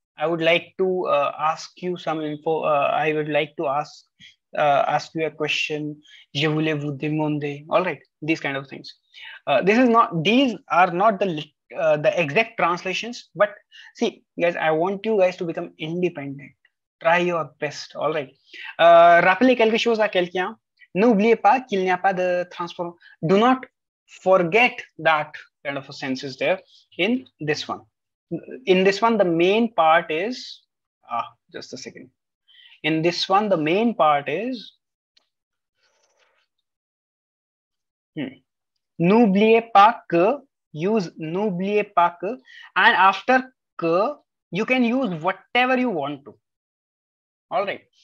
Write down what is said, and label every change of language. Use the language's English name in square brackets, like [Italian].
[English] I would like to ask you some info. I would like to ask you a question. [French] Je voulais vous demander. [English] All right. These kind of things. This is not. These are not the exact translations. But see, guys, I want you guys to become independent. Try your best. All right. [French] Rappelez quelque chose à quelqu'un. N'oubliez pas qu'il n'y a pas de transport. [English] Do not forget that kind of a sense is there in this one. In this one, the main part is, just a second. In this one, the main part is, [French] N'oubliez pas que, [English] use [French] n'oubliez pas que, [English] and after que, you can use whatever you want to. All right.